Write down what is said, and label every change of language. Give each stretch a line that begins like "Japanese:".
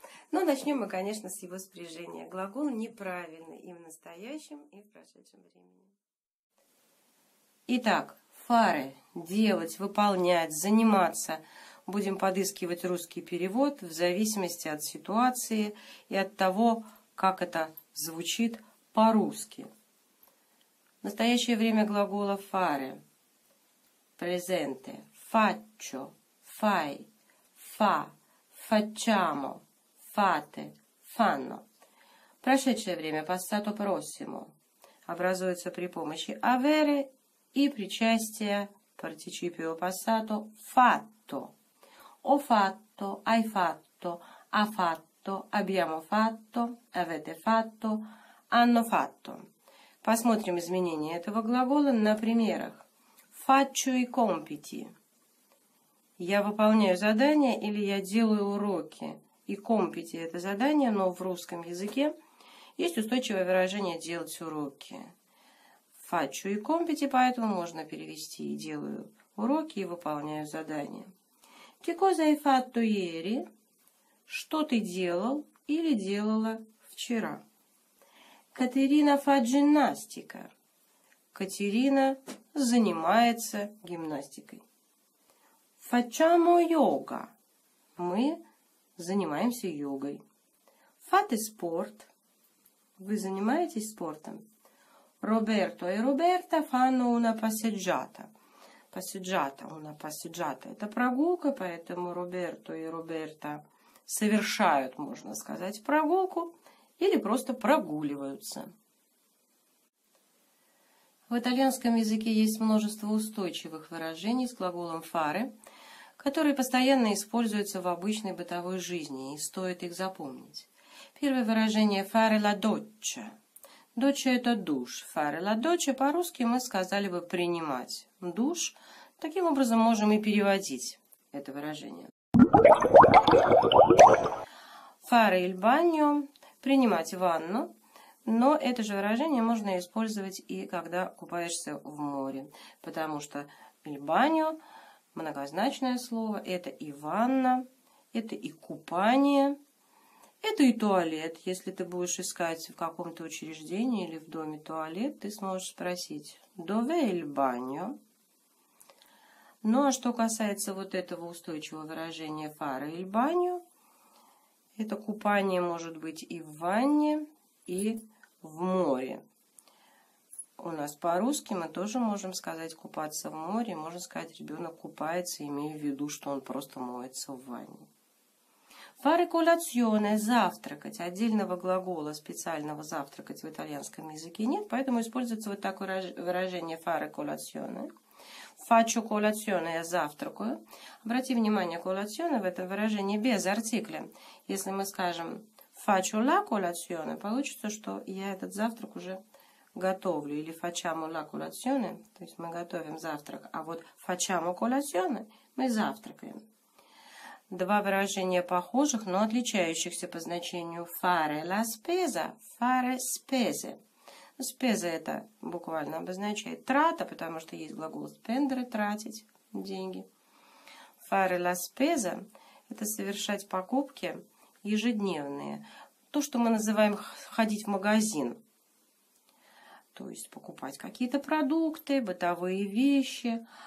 Russian: Но начнем мы, конечно, с его спряжения. Глагол неправильный и в настоящем, и в прошедшем времени. Итак, фаре – делать, выполнять, заниматься – будем подыскивать русский перевод в зависимости от ситуации и от того, как это звучит по-русски. В настоящее время глагола
Italian: fare, presente, faccio, fai, fa, facciamo, fate, fanno.
Russian: Прошедшее время passato prossimo образуется при помощи avere и причастия participio passato fatto.
Italian: Ho fatto, hai fatto, ha fatto, abbiamo fatto, avete fatto, hanno fatto.
Russian: Посмотрим изменения этого глагола на примерах.
Italian: Faccio i compiti.
Russian: Я выполняю задания или я делаю уроки. И compiti – это задание, но в русском языке есть устойчивое выражение «делать уроки».
Italian: Faccio i compiti,
Russian: поэтому можно перевести «и делаю уроки, и выполняю задания».
Italian: Che cosa hai fatto ieri?
Russian: Что ты делал или делала вчера?
Italian: Катерина fa ginnastica.
Russian: Катерина занимается гимнастикой.
Italian: Facciamo yoga.
Russian: Мы занимаемся йогой.
Italian: Fate sport.
Russian: Вы занимаетесь спортом.
Italian: Roberto e Roberta fanno una passeggiata.
Russian: Passeggiata, una passeggiata – это прогулка, поэтому Роберто и Роберта совершают, можно сказать, прогулку или просто прогуливаются. В итальянском языке есть множество устойчивых выражений с глаголом fare, которые постоянно используются в обычной бытовой жизни, и стоит их запомнить. Первое выражение
Italian: – fare la doccia.
Russian: Доча – это душ.
Italian: Fare la doccia
Russian: по-русски мы сказали бы «принимать душ». Таким образом, можем и переводить это выражение.
Italian: Fare il bagno –
Russian: принимать ванну. Но это же выражение можно использовать и когда купаешься в море. Потому что il bagno – многозначное слово. Это и ванна, это и купание. Это и туалет. Если ты будешь искать в каком-то учреждении или в доме туалет, ты сможешь спросить
Italian: «Dove il bagno?».
Russian: Ну, а что касается вот этого устойчивого выражения
Italian: «fare il bagno»,
Russian: это купание может быть и в ванне, и в море. у нас по-русски мы тоже можем сказать «купаться в море», можно сказать «ребенок купается», имея в виду, что он просто моется в ванне.
Italian: Fare colazione –
Russian: завтракать. Отдельного глагола специального «завтракать» в итальянском языке нет, поэтому используется вот такое выражение fare colazione.
Italian: Faccio colazione
Russian: – я завтракаю. Обрати внимание, colazione в этом выражении без артикля. Если мы скажем
Italian: faccio la colazione,
Russian: получится, что я этот завтрак уже готовлю. Или
Italian: facciamo la colazione,
Russian: то есть мы готовим завтрак. А вот
Italian: facciamo colazione
Russian: – мы завтракаем. Два выражения похожих, но отличающихся по значению.
Italian: Fare la spesa, fare spese.
Russian: Spesa это буквально обозначает трата, потому что есть глагол spendere, тратить деньги.
Italian: Fare la spesa
Russian: это совершать покупки ежедневные. То, что мы называем ходить в магазин. То есть покупать какие-то продукты, бытовые вещи.